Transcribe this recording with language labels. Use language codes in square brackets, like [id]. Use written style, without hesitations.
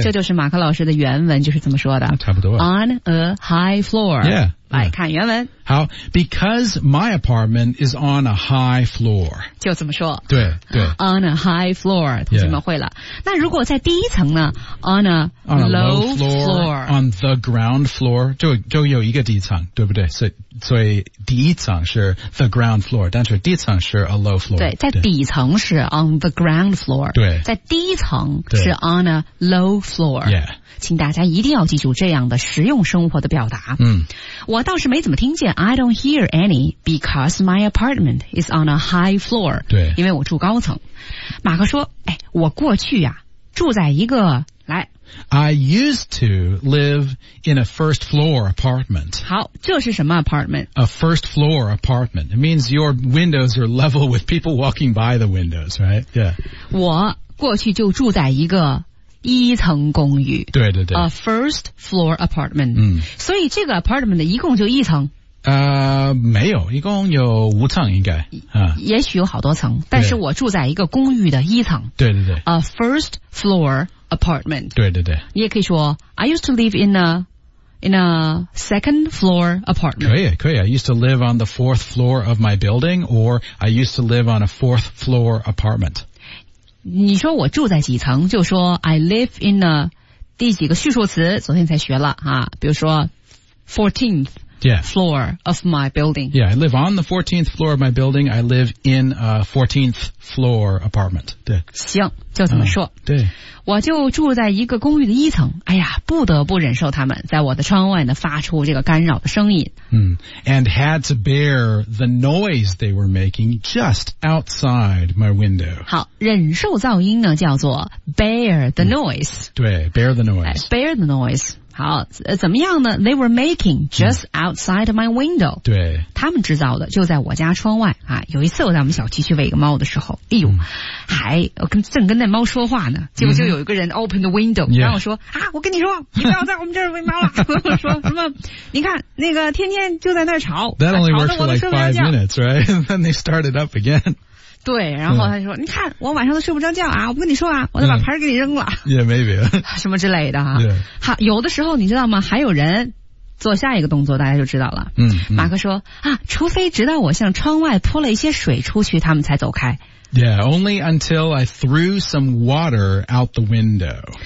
[zh] 这就是马克老师的原文就是这么说的。差不多。 [en] On a high floor. Yeah. [zh] 来看原文。 [en] 好 ，because my apartment is on a high floor， [zh] 就这么说。对。 [en] On a high floor， [zh] 同学们会了。 [en] Yeah. [zh] 那如果在第一层呢 [en] ？On a low floor，on the ground floor， [zh] 就有一个第一层，对不对？所以第一层是 the ground floor， 但是第一层是 [en] a low floor。 [zh] 对，在底层是 [en] on the ground floor， [zh] 对，在第一层是 [en] on a low floor。 Yeah. [zh] 请大家一定要记住这样的实用生活的表达。嗯，我倒是没怎么听见 [en] I don't hear any because my apartment is on a high floor。 [zh] 对，因为我住高层。马克说我过去啊住在一个来 [en] I used to live in a first floor apartment。 [zh] 好，这是什么 apartment？ [en] A first floor apartment。 It means your windows are level with people walking by the windows, right? Yeah. [zh] 我过去就住在一个一层公寓，对 [en] ，a first floor apartment。 [zh] 嗯，所以这个 apartment 一共就一层。没有，一共有五层应该。也许有好多层，但是我住在一个公寓的一层。对。 [en] A first floor apartment。 [zh] 对。你也可以说 [en] ，I used to live in a second floor apartment. 可以。I used to live on the fourth floor of my building, or I used to live on a fourth floor apartment. [zh] 你说我住在几层就说 [en] I live in a [zh] 第几个叙述词昨天才学了啊，比如说 14th、 [en] yeah. floor of my building. Yeah, I live on the 14th floor of my building. I live in a 14th floor apartment. 对， [zh] 行就这么说。对，我就住在一个公寓的一层，哎呀不得不忍受他们在我的窗外呢发出这个干扰的声音。 [en] 嗯 and had to bear the noise they were making just outside my window. [zh] 好，忍受噪音呢叫做 [en] bear the noise.、 [zh] 嗯、 [en] 对 bear the noise.、 bear the noise. [zh] 好、怎么样呢 [en] they were making just outside my window.、嗯、 [zh] 对，他们制造的就在我家窗外啊。有一次我在我们小区去喂一个猫的时候，哎呦、嗯、还正跟那猫说话呢，结果就有一个人 [en] open the window、 yeah. [zh] 然后说啊，我跟你说你不要在我们这儿喂猫了说什么你看那个天天就在那儿吵 [en] that only works for like 5 minutes right and then they started up again [zh] 对，然后他就说、嗯、你看我晚上都睡不着觉啊，我不跟你说啊，我再把牌给你扔了、 [en] 嗯、yeah maybe [zh] 什么之类的、啊 [en] yeah. [zh] 好，有的时候你知道吗，还有人做下一个动作，大家就知道了。嗯，马克说啊，除非直到我向窗外泼了一些水出去，他们才走开。 [en] Yeah, only until I threw some water out the window.